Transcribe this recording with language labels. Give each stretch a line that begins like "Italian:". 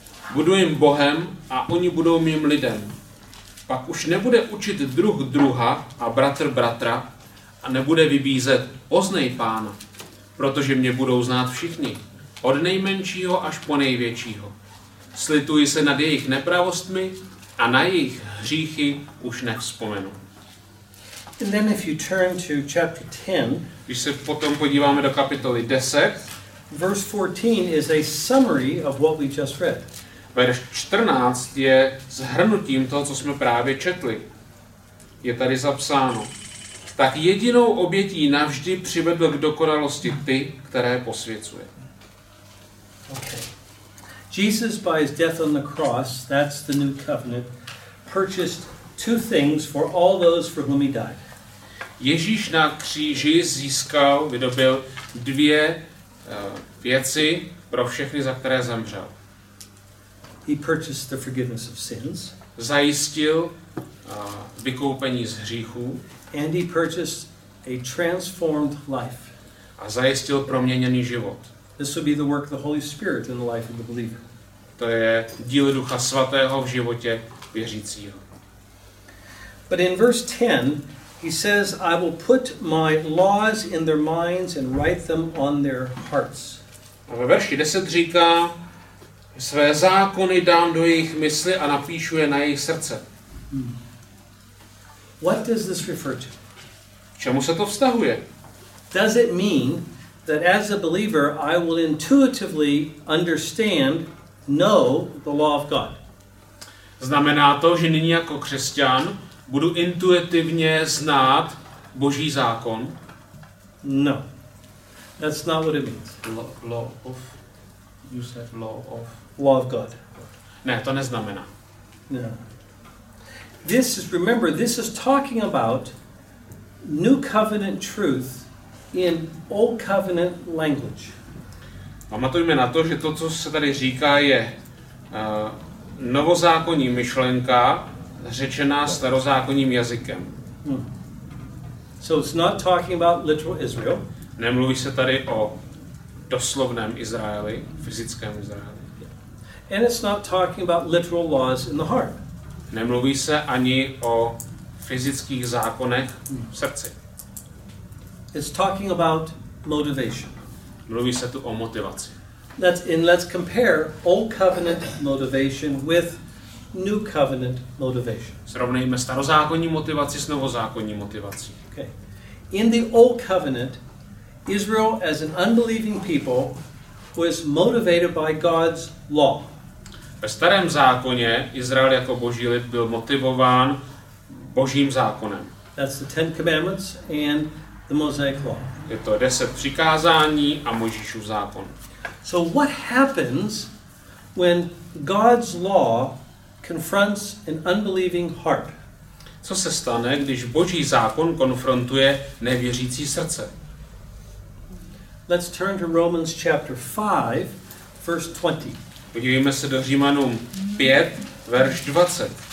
Czech: Budu jim Bohem a oni budou mým lidem. Pak už nebude učit druh druha a bratr bratra a nebude vybízet poznej Pána, protože mě budou znát všichni, od nejmenšího až po největšího. Slituji se nad jejich nepravostmi a na jejich hříchy už nevzpomenu.
English: And then if you turn to chapter 10,
Czech: když se potom podíváme do kapitoly 10,
English: verse 14 is a summary of what we just read.
Czech: Verš 14 je shrnutím toho, co jsme právě četli. Je tady zapsáno. Tak jedinou obětí navždy přivedl k dokonalosti ty, které posvěcuje.
English: Okay. Jesus by his death on the cross, that's the new covenant, purchased two things for all those for whom he died.
Czech: Ježíš na kříži získal, vydobil dvě věci pro všechny, za které zemřel.
English: He purchased the forgiveness of sins.
Czech: Zajistil vykoupení z hříchů.
English: And he purchased a transformed life.
Czech: A zajistil proměněný život.
English: This will be the work of the Holy Spirit in the life of the believer.
Czech: To je dílo Ducha Svatého v životě věřícího.
English: But in verse 10, he says, I will put my laws in their minds and write them on their hearts.
Czech: A ve verši 10 říká, své zákony dám do jejich mysli a napíšu je na jejich srdce.
English: What does this refer to?
Czech: Čemu se to vztahuje?
English: Does it mean that as a believer I will intuitively understand, know the law of God?
Czech: Znamená to, že nyní jako křesťan budu intuitivně znát Boží zákon?
English: No. That's not what it means. Law of God.
Czech: Ne, to neznamená.
English: No. This is talking about new covenant truth in old covenant language.
Czech: Pamatujme na to, že to, co se tady říká, je novozákonní myšlenka řečená starozákonním jazykem.
English: So it's not talking about literal Israel.
Czech: Nemluví se tady o doslovném Izraeli, fyzickém Izraeli.
English: And it's not talking about literal laws in the heart.
Czech: Nemluví se ani o fyzických zákonech v srdci.
English: It's talking about motivation.
Czech: Mluví se tu o motivaci.
English: Let's compare old covenant motivation with new covenant motivation.
Czech: Srovnejme starozákonní motivaci s novozákonní motivací.
English: Okay. In the old covenant, Israel as an unbelieving people was motivated by God's law.
Czech: Ve starém zákoně Izrael jako Boží lid byl motivován Božím zákonem.
English: That's the Ten Commandments and the Mosaic Law.
Czech: Je to 10 přikázání a Mojžíšův zákon.
English: So what happens when God's law confronts an unbelieving heart?
Czech: Co se stane, když Boží zákon konfrontuje nevěřící srdce?
English: Let's turn to Romans chapter 5, verse 20.
Czech: Podívejme se do Římanům 5, verš 20.